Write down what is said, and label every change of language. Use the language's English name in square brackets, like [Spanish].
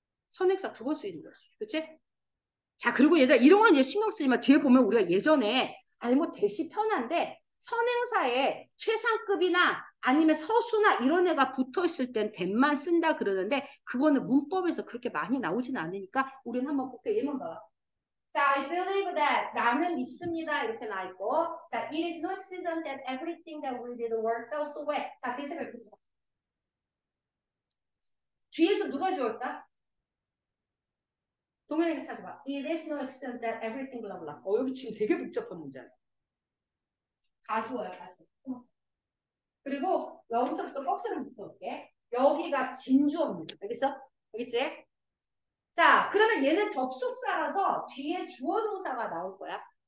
[Korean] 선행사 두번쓸수 있는 거지. 그렇지? 자, 그리고 얘들아 이런 건 신경 쓰지 마. 뒤에 보면 우리가 예전에 아니 뭐 대시 편한데 선행사에 최상급이나 아니면 서수나 이런 애가 붙어 있을 땐 됨만 쓴다 그러는데 그거는 문법에서 그렇게 많이 나오진 않으니까 우리는 한번 볼게. 예문 봐. [English] 자, I believe that [Korean] 나는 믿습니다 이렇게 나 있고, [English] 자, it is no accident that everything that we did worked out so well. [Korean] 자, 대세를 붙여. 뒤에서 누가 좋을까? 동현이 같이 봐. [English] It is no accident that everything blah blah. [Korean] 여기 지금 되게 복잡한 문제네. 다 좋아요, 다 좋아요. 그리고 여기서부터 박스를 붙여볼게. 여기가 진주어입니다. 알겠어? 알겠지? 자, 그러면 얘는 접속사라서 뒤에 주어 동사가 나올 거야.